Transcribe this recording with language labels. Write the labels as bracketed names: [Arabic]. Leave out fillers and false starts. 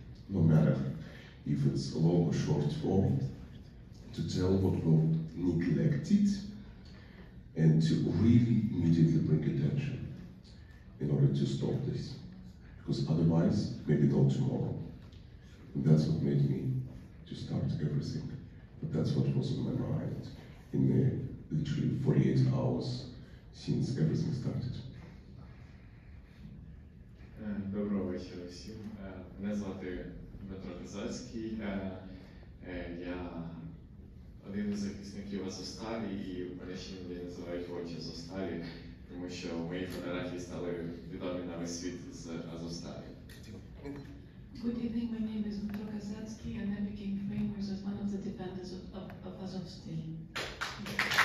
[English] No matter if it's a long or short form, to tell what was neglected and to really immediately bring attention in order to stop this. Because otherwise, maybe not tomorrow. And that's what made me to start everything. But that's what was on my mind in the literally 48 hours since everything started. [Ukrainian] Доброго вечора всім. Мене звати Дмитро Козацький. Я один із захисників Азовсталі, і мене ще люди називають «Очі Азовсталі», тому що мої фотографії стали відомі на весь світ з Азовсталі. [English] Good evening, my name is Dmytro Kozatskyi, and I became famous as one of the defenders of Azovstal.